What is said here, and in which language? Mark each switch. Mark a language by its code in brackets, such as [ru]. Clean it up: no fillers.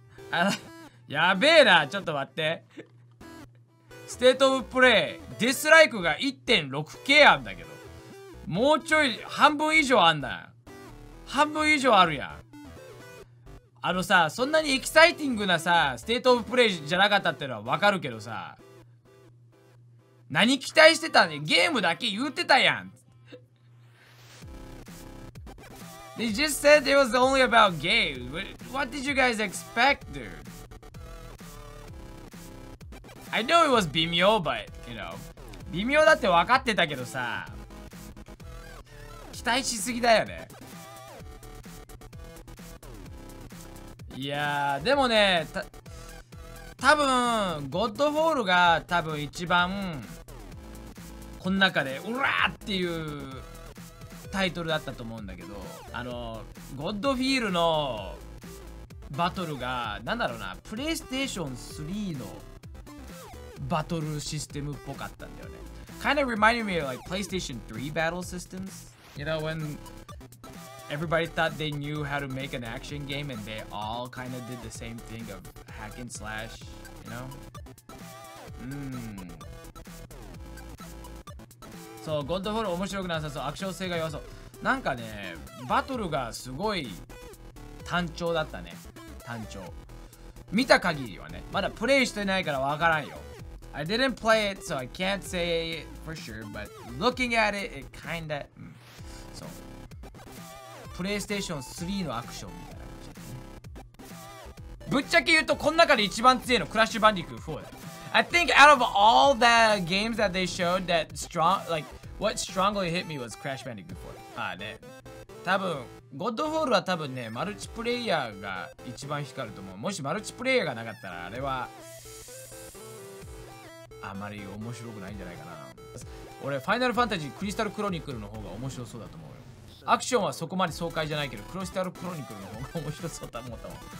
[ja] あらやべえな、ちょっと待って。ステートオブプレイディスライクが 1.6K あんだけど、もうちょい半分以上あんだ。半分以上あるやん。あのさ、そんなにエキサイティングなさステートオブプレイじゃなかったってのはわかるけどさ、何期待してたね、ゲームだけ言ってたやん。 [en] They just said it was only about game. What did you guys expect, dude? I know it was 微妙, but you know, [ja] 微妙だってわかってたけどさ、期待しすぎだよね。いやーでもね、多分ゴッドフォールが多分一番この中でうらーっていうタイトルだったと思うんだけど、あのゴッドフィールのバトルが、なんだろうな、プレイステーション3のバトルシステムっぽかったんだよね。 [en] Kind of reminded me of like PlayStation 3 battle systems. You know whenEverybody thought they knew how to make an action game and they all kind of did the same thing of hack and slash, you know? [ja] So, God of War 面白くなさそう、アクション性が弱そう。なんかね、バトルがすごい単調だったね。単調。見た限りはね、まだプレイしてないからわからんよ。 [en] I didn't play it, so I can't say it for sure, but looking at it, it kind of... [ja] プレイステーション3のアクションみたいな感じ、ね、ぶっちゃけ言うとこの中で一番強いのクラッシュバンディク4だ。 [en] I think out of all the games that they showed that strong, like, what strongly hit me was Crash Bandicoot 4。 [ja] ああね、多分ゴッドフォールは多分ねマルチプレイヤーが一番光ると思う。もしマルチプレイヤーがなかったらあれはあまり面白くないんじゃないかな。俺ファイナルファンタジークリスタルクロニクルの方が面白そうだと思う。アクションはそこまで爽快じゃないけど、クロスタルクロニクルの方が面白そうと思ったもん。